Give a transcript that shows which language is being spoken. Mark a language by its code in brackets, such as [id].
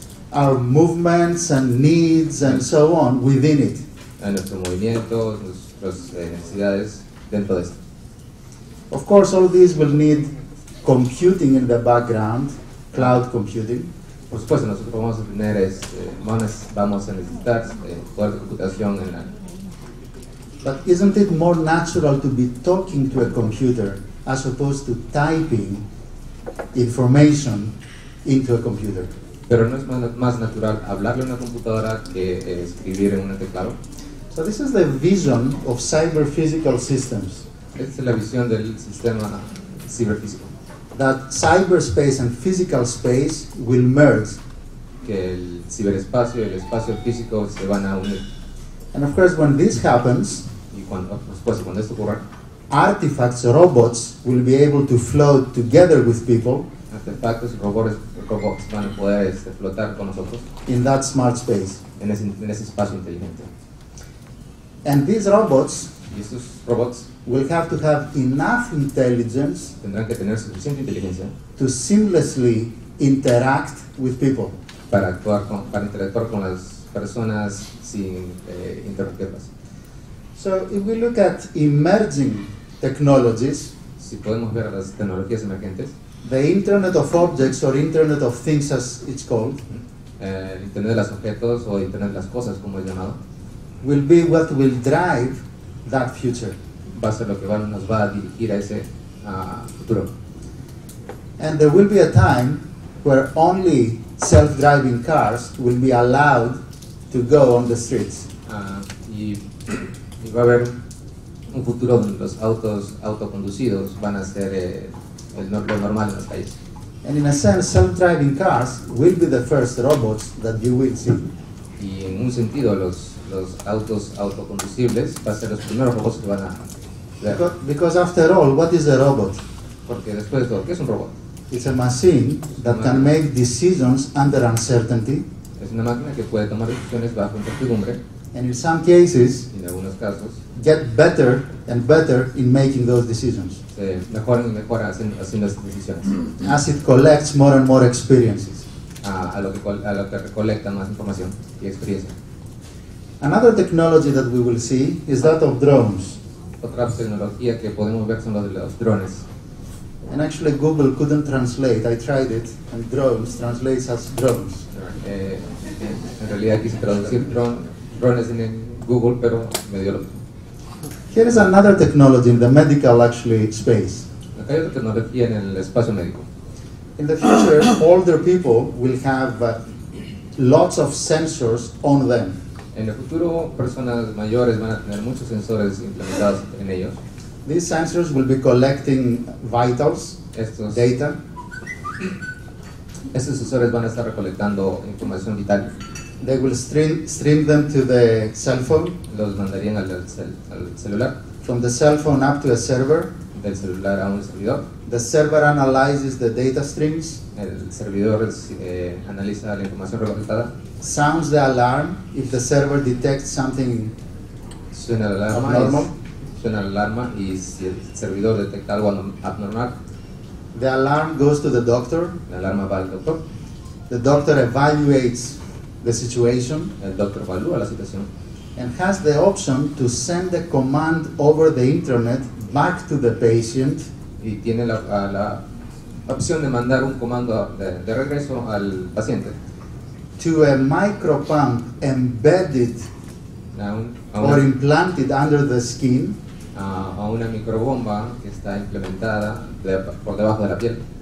[en] Our movements and needs and so on within it. [es] En nuestros movimientos, nuestras necesidades dentro de esto. [en] Of course, all these will need computing in the background, cloud computing. [es] Por supuesto, nosotros vamos a necesitar poder de computación en la. [en] But isn't it more natural to be talking to a computer as opposed to typing information into a computer? [es] Pero no es más natural hablarle a una computadora que escribir en un teclado. [en] So this is the vision of cyber physical systems. [es] Esta es la visión del sistema ciberfísico. [en] That cyberspace and physical space will merge. [es] que el ciberespacio y el espacio físico se van a unir. [en] And of course, when this happens, [es] y cuando, por supuesto, cuando esto ocurra, [en] artifacts, robots, will be able to float together with people. [es] Artefactos, robots, van a poder flotar con nosotros. [en] In that smart space. [es] En ese espacio inteligente. [en] And these robots. [es] Y estos robots. [en] Will have to have enough intelligence. [es] Tendrán que tener suficiente inteligencia. [en] To seamlessly interact with people. [es] Para interactuar con las personas sin interrumpirlas. [en] So if we look at emerging technologies. [es] Si podemos ver las tecnologías emergentes. [en] The Internet of Objects or Internet of Things, as it's called. [es] El Internet de los objetos o Internet de las cosas, como es llamado. [en] Will be what will drive that future. [es] Va a ser lo que nos va a dirigir a ese futuro. [en] And there will be a time where only self-driving cars will be allowed to go on the streets. [es] Y va a haber un futuro donde los autos autoconducidos van a ser lo normal en las calles. [en] And in a sense, self-driving cars will be the first robots that you will see. [es] Y en un sentido, los autos autoconducibles van a ser los primeros robots que van a ver. [en] Because after all, what is a robot? [es] Porque después de todo, ¿qué es un robot? [en] It's a machine that can make decisions under uncertainty. [es] Es una máquina que puede tomar decisiones bajo incertidumbre. [en] And in some cases, [es] en algunos casos, [en] get better and better in making those decisions. [es] Se mejora y mejora haciendo esas decisiones. [en] As it collects more and more experiences. [es] A lo que recolecta más información y experiencia. [en] Another technology that we will see is that of drones. [es] Otra tecnología que podemos ver son los drones. [en] And actually Google couldn't translate, I tried it, and drones translates as drones. [es] En realidad quise traducir drones en Google, pero me dio lo mismo. [en] Here is another technology in the medical, actually, space. [es] Acá hay otra tecnología en el espacio médico. [en] In the future, older people will have lots of sensors on them. [es] En el futuro, personas mayores van a tener muchos sensores implementados en ellos. [en] These sensors will be collecting vitals, data. [es] Estos sensores van a estar recolectando información vital. [en] They will stream them to the cell phone. [es] Los mandarían al celular. [en] From the cell phone up to a server. [es] Del celular a un servidor. [en] The server analyzes the data streams. [es] El servidor analiza la información recolectada. [en] Sounds the alarm if the server detects something abnormal. [es] Suena la alarma y si el servidor detecta algo abnormal. [en] The alarm goes to the doctor. [es] La alarma va al doctor. [en] The doctor evaluates the situation. [es] El doctor evalúa la situación. [en] And has the option to send a command over the internet back to the patient. [es] Y tiene la opción de mandar un comando de regreso al paciente. [en] To a micro pump embedded or implanted under the skin. [es] A una microbomba que está implementada por debajo de la piel.